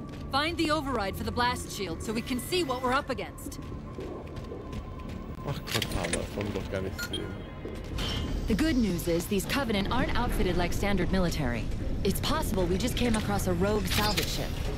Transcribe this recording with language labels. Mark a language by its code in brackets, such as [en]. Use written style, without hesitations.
[en] Find the override for the blast shield so we can see what we're up against. [de] Ach Gott, das wollen wir doch gar nicht sehen. [en] The good news is these Covenant aren't outfitted like standard military. It's possible we just came across a rogue salvage ship.